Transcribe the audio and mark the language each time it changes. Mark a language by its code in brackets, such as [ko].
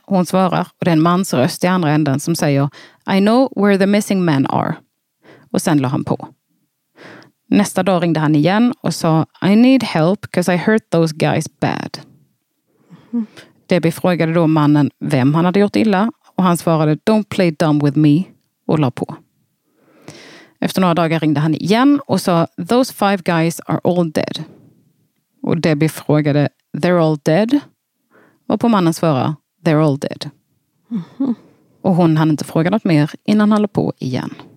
[sv] Hon svarar och det är en mans röst i andra änden som säger [en] I know where the missing men are. [sv] Och sen la han på. Nästa dag ringde han igen och sa [en] I need help because I hurt those guys bad. Mm. [sv] Debbie frågade då mannen vem han hade gjort illa. Och han svarade, [en] don't play dumb with me. [sv] Och la på. Efter några dagar ringde han igen och sa, [en] those 5 guys are all dead. [sv] Och Debbie frågade, [en] they're all dead? [sv] Och på mannen svarade, [en] they're all dead. [sv] Mm-hmm. Och hon hade inte frågat något mer innan han la på igen.